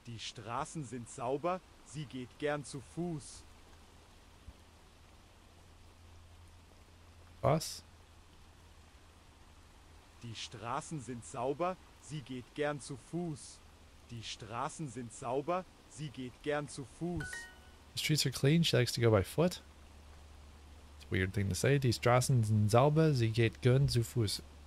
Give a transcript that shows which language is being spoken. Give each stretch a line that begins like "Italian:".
German: Die Straßen sind sauber, sie geht gern zu Fuß. Was? Die Straßen sind sauber, sie geht gern zu Fuß. Die Straßen sind sauber, sie geht gern zu Fuß.
English: The streets are clean, she likes to go by foot. It's a weird thing to say.
German: Die Straßen sind sauber, sie geht gern zu Fuß.